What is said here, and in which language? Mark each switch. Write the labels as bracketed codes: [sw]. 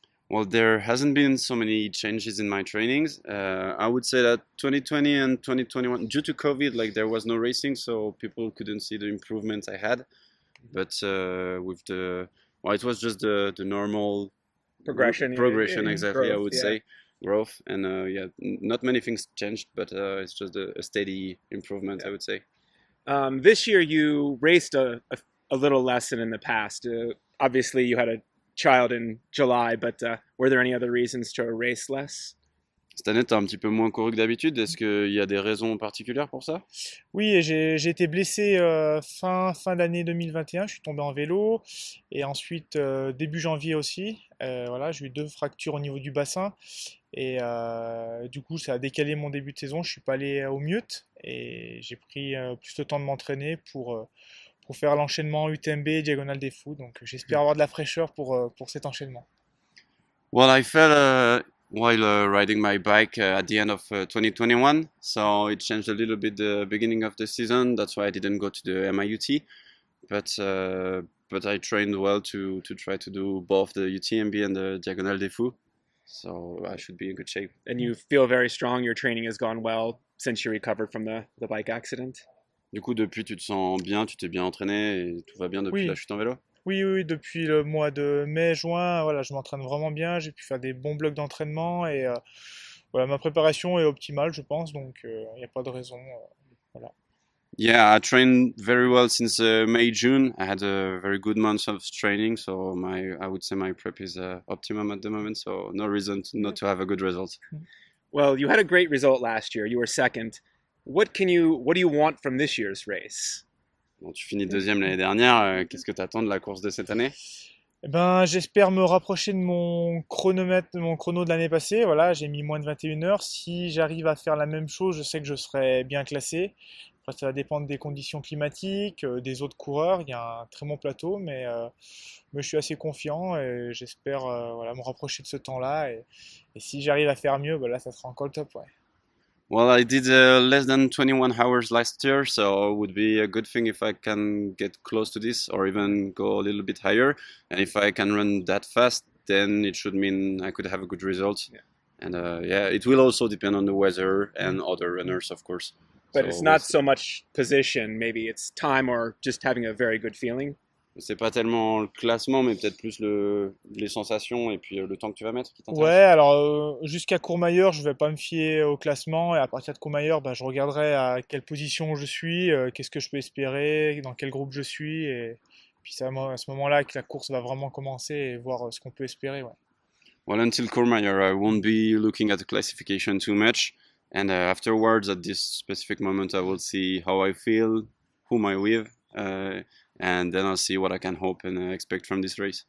[en] Well, there hasn't been so many changes in my trainings. I would say that 2020 and 2021, due to COVID, like there was no racing, so people couldn't see the improvements I had. But with the, well, it was just the normal progression in exactly, growth, I would say, growth. And not many things changed, but it's just a steady improvement, yeah. I would say. This year, you raced a little less than in the past. Obviously, you had a child in July, but were there any other reasons to race less? [fr] Cette année, t'as un petit peu moins couru que d'habitude. Est-ce qu'il y a des raisons particulières pour ça? Oui, j'ai été blessé fin d'année 2021. Je suis tombé en vélo et ensuite début janvier aussi. Voilà, j'ai eu deux fractures au niveau du bassin et du coup, ça a décalé mon début de saison. Je suis pas allé au mieux et j'ai pris plus de temps de m'entraîner pour faire l'enchaînement UTMB Diagonale des Fous, donc j'espère avoir de la fraîcheur pour cet enchaînement. [en] Well, I fell while riding my bike at the end of 2021, so it changed a little bit the beginning of the season. That's why I didn't go to the MIUT, but I trained well to try to do both the UTMB and the Diagonale des Fous, so I should be in good shape. And you feel very strong. Your training has gone well since you recovered from the bike accident. [fr] Du coup, depuis, tu te sens bien, tu t'es bien entraîné et tout va bien depuis la chute en vélo? Oui, depuis le mois de mai, juin, voilà, je m'entraîne vraiment bien, j'ai pu faire des bons blocs d'entraînement et voilà, ma préparation est optimale, je pense, donc il n'y a pas de raison. Voilà. [en] Yeah, I trained very well since May, June. I had a very good month of training, so I would say my prep is optimum at the moment, so no reason not to have a good result. Well, you had a great result last year, you were second. What do you want from this year's race? [fr] Bon, tu finis deuxième l'année dernière. Qu'est-ce que tu attends de la course de cette année? J'espère me rapprocher de mon chrono de l'année passée. Voilà, j'ai mis moins de 21 heures. Si j'arrive à faire la même chose, je sais que je serai bien classé. Après, ça va dépendre des conditions climatiques, des autres coureurs. Il y a un très bon plateau, mais je suis assez confiant et j'espère me rapprocher de ce temps-là. Et si j'arrive à faire mieux, ben là, ça sera encore le top, ouais. [en] Well, I did less than 21 hours last year, so it would be a good thing if I can get close to this or even go a little bit higher. And if I can run that fast, then it should mean I could have a good result. Yeah. And yeah, it will also depend on the weather and other runners, of course. But so it's not so much position, maybe it's time or just having a very good feeling. [fr] C'est pas tellement le classement, mais peut-être plus les sensations et puis le temps que tu vas mettre qui t'intéresse. Ouais, alors jusqu'à Courmayeur, je vais pas me fier au classement. Et à partir de Courmayeur, bah, je regarderai à quelle position je suis, qu'est-ce que je peux espérer, dans quel groupe je suis. Et puis c'est à ce moment-là que la course va vraiment commencer et voir ce qu'on peut espérer. Ouais. [en] Well, until Courmayeur, I won't be looking at the classification too much. And afterwards, at this specific moment, I will see how I feel, whom I with. And then I'll see what I can hope and expect from this race.